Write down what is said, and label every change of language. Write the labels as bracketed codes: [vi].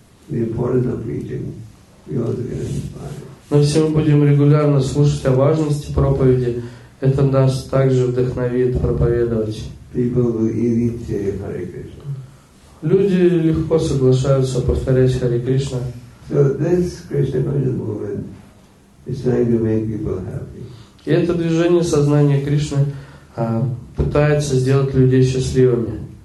[en] The importance of preaching, we also get inspired. [ru] Но если мы будем регулярно слушать о важности проповеди, это нас также вдохновит проповедовать. [en] People will easily say Hare Krishna. [ru] Люди легко соглашаются повторять Hare Krishna. [en] So this Krishna conscious movement is trying to make people happy. [ru] И это движение сознания Кришны пытается сделать людей счастливыми.